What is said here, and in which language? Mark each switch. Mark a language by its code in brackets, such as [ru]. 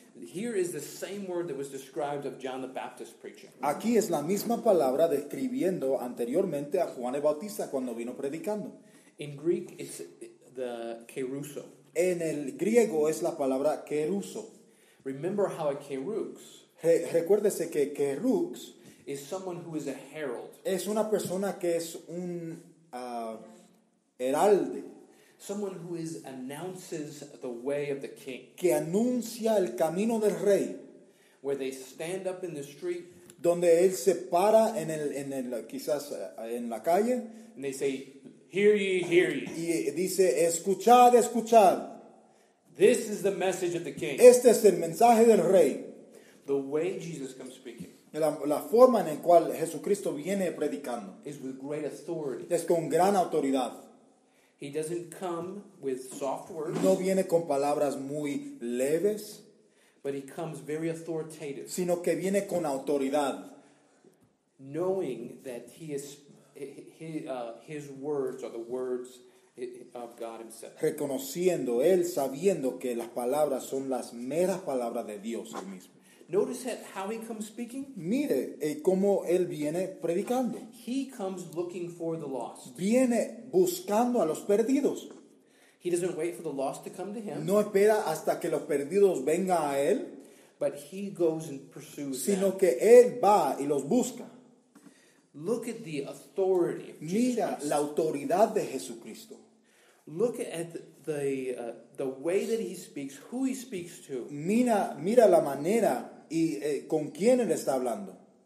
[en] Here is the same word that was described of John the Baptist preaching. [es] Aquí es la misma palabra describiendo anteriormente a Juan el Bautista cuando vino predicando. [en] In Greek, it's the keruso. [es] En el griego es la palabra keruso. [en] Remember how a kerux. [es] Recuérdese que kerux [en] is someone who is a herald. [es] Es una persona que es un heralde. [en] Someone who is announces the way of the king. [es] Que anuncia el camino del rey. [en] Where they stand up in the street. [es] Donde él se para en el quizás en la calle. [en] And they say, hear ye, hear ye. [es] Y dice, escuchad, escuchad. [en] This is the message of the king. [es] Este es el mensaje del rey. [en] The way Jesus comes speaking. [es] La forma en la cual Jesucristo viene predicando. [en] Is with great authority. [es] Es con gran autoridad. [en] He doesn't come with soft words. [es] No viene con palabras muy leves. [en] But he comes very authoritative. [es] Sino que viene con autoridad. [en] Knowing that he is speaking. His words are the words of God himself. [es] Reconociendo él, sabiendo que las palabras son las meras palabras de Dios mismo. [en] Notice how he comes speaking. [es] Mire cómo él viene predicando. [en] He comes looking for the lost. [es] Viene buscando a los perdidos. [en] He doesn't wait for the lost to come to him. [es] No espera hasta que los perdidos vengan a él. [en] But he goes and pursues them. [es] Sino que él va y los busca. [en] Look at the authority of Jesus. [es] Mira la autoridad de Jesucristo. [en] Look at the way that he speaks, who he speaks to. [es] Mira la manera y con quién él está hablando.